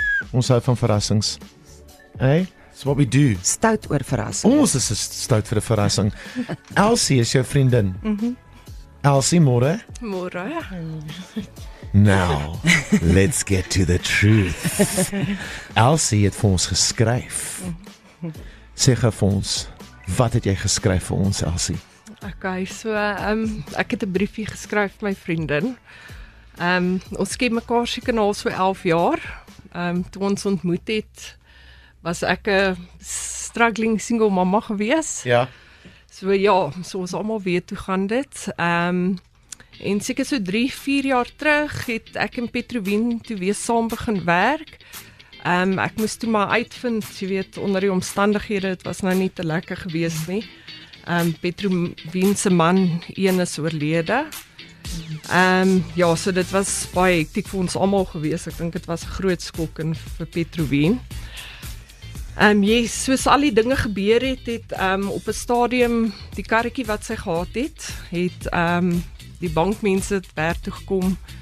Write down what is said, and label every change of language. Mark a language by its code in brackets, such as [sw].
[af] Ons hou van verrassings. [en] Hey, it's what we do. [af] Stout oor verrassings. Ons is stout vir 'n verrassing. Elsie is jou vriendin. Elsie, môre? Môre. [en] Now, let's get to the truth. [af] Elsie het vir ons geskryf. Sê gou vir ons, wat het jy geskryf vir ons, Elsie? Okay, so ek het 'n briefie geskryf my vriendin. Ons ken mekaar seker al so 11 jaar. Toe ons ontmoet het, was ek 'n struggling single mama gewees. Ja. So ons almal weet hoe gaan dit. En seker so 3-4 jaar terug het ek en Petrovin toe weer saam begin werk. Ek moes toe maar uitvind, jy weet, onder die omstandighede, het was nou nie te lekker gewees nie. Petrovin se man, een is oorlede. So dit was baie hektiek vir ons allemaal gewees. Ek dink het was groot skok in vir Petrovin. Soos al die dinge gebeur het, het op 'n stadium die karretjie wat sy gehad het die bankmense het werk toe gekom.